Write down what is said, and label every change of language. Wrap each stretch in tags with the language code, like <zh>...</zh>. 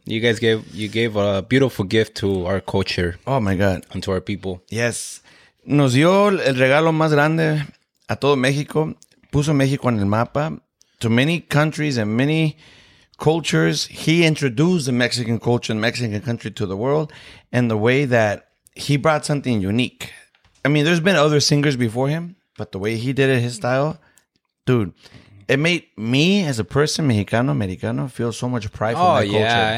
<en>You guys gave a beautiful gift to our culture. Oh my God. And to our people. Yes.</en> <es>Nos dio el regalo más grande a todo México. Puso México en el mapa.</es> <en>To many countries and many cultures, he introduced the Mexican culture and Mexican country to the world in the way that he brought something unique. I mean, there's been other singers before him, but the way he did it, his style, dude, it made me as a person, Mexicano, Americano, feel so much pride for my culture.</en>